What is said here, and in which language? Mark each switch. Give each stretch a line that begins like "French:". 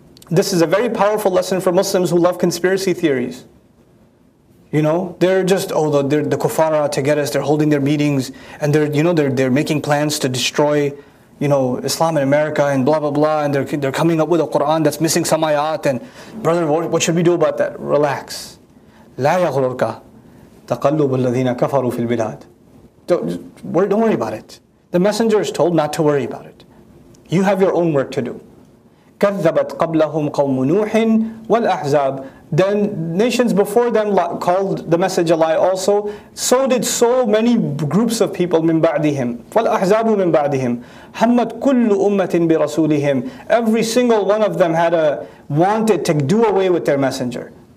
English: This is a very powerful lesson for Muslims who love conspiracy theories. You know, they're just, the kuffar are out to get us, they're holding their meetings, and they're making plans to destroy, you know, Islam in America, and blah, blah, blah, and they're coming up with a Qur'an that's missing some ayat, and brother, what should we do about that? Relax.
Arabic: لا يغررك تقلب الذين كفروا في البلاد.
English: Don't worry about it. The Messenger is told not to worry about it. You have your own work to do.
Arabic: كذبت قبلهم قوم نوح والأحزاب.
English: Then nations before them called the message a lie also. So did so many groups of people
Arabic: من بعدهم. والأحزاب من بعدهم. همت كل أمة برسولهم.
English: Every single one of them had a wanted to do away with their messenger.